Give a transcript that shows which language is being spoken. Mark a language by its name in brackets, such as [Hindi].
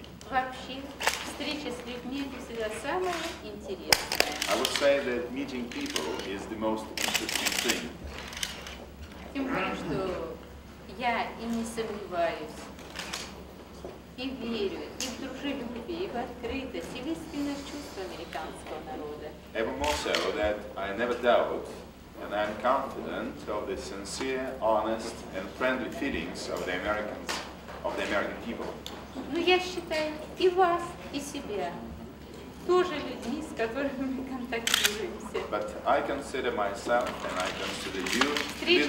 [Russian] Вообще, встреча с людьми это всегда самое интересное. [English] I would say that meeting people is the most interesting thing. [Russian] Тем более, что я и не сомневаюсь, и верю, и в дружелюбие, и в открытость, и в искренность чувств американского народа. [English] Even more so that I never doubt, and I'm confident of the sincere, honest, and friendly feelings of the Americans, of the American people. [Russian] Ну, я считаю, и вас, и себя тоже людьми, с которыми мы контактируемся. [English] But I consider myself and I consider you